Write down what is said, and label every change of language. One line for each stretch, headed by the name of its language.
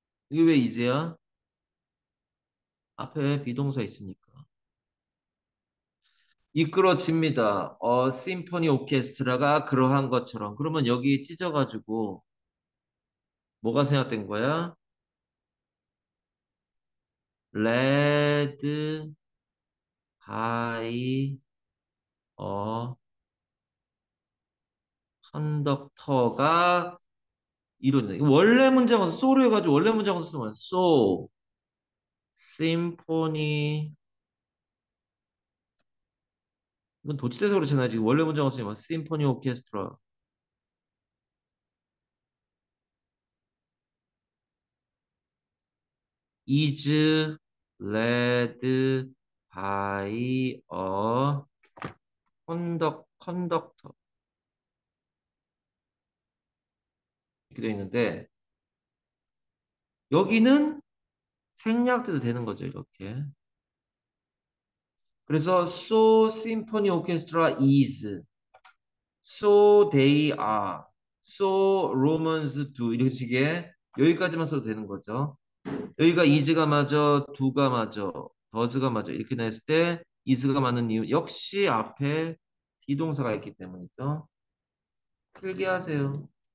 Korean: 이게 왜 is야? 앞에 비동사 있으니까. 이끌어집니다.
English: A symphony orchestra
Korean: 가 그러한 것처럼. 그러면 여기 찢어가지고 뭐가 생각된 거야? led by a conductor가 이론이다. 원래 문장은 so로 해가지고 원래 문장은 쓰면 so symphony 이건 도치돼서 그렇잖아요. 지금 원래 문장은 쓰면
English: symphony orchestra is led by a conductor.
Korean: 이렇게 되어 있는데, 여기는 생략돼도 되는 거죠, 이렇게. 그래서,
English: so symphony orchestra is, so they are, so Romans do,
Korean: 이런 식의 여기까지만 써도 되는 거죠. 여기가 is가 맞아, do가 맞아, does가 맞아 이렇게 나 했을 때 is가 맞는 이유 역시 앞에 비동사가 있기 때문이죠. 필기하세요.